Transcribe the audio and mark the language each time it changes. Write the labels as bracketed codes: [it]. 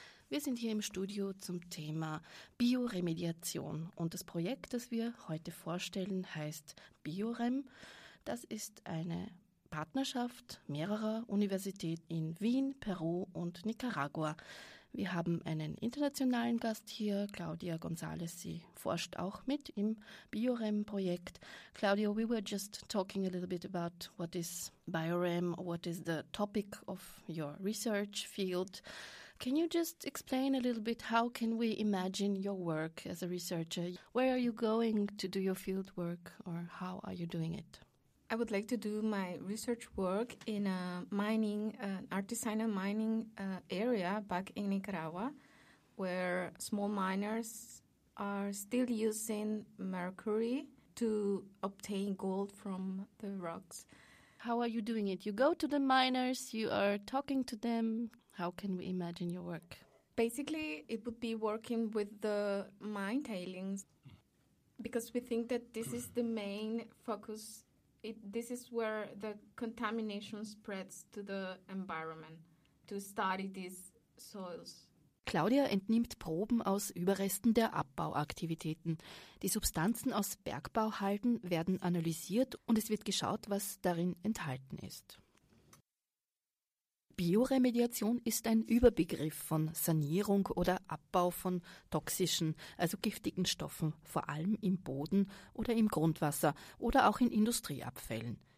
[de] Wir sind hier im Studio zum Thema Bioremediation und das Projekt, das wir heute vorstellen, heißt BioRem. Das ist eine Partnerschaft mehrerer Universitäten in Wien, Peru und Nicaragua. Wir haben einen internationalen Gast hier, Claudia González. Sie forscht auch mit im BioRem-Projekt. [en] Claudia, we were just talking a little bit about what is BioRem, what is the topic of your research field. Can you just explain a little bit how can we imagine your work as a researcher? Where are you going to do your field work or how are you doing it? I would like to do my research work in a mining, an artisanal mining area back in Nicaragua, where small miners are still using mercury to obtain gold from the rocks. How are you doing it? You go to the miners, you are talking to them. How can we imagine your work? Basically, it would be working with the mine tailings, because we think that this is the main focus. This is where the contamination spreads to the environment, to study these soils. [de] Claudia entnimmt Proben aus Überresten der Abbauaktivitäten. Die Substanzen aus Bergbauhalden werden analysiert und es wird geschaut, was darin enthalten ist. Bioremediation ist ein Überbegriff von Sanierung oder Abbau von toxischen, also giftigen Stoffen, vor allem im Boden oder im Grundwasser oder auch in Industrieabfällen.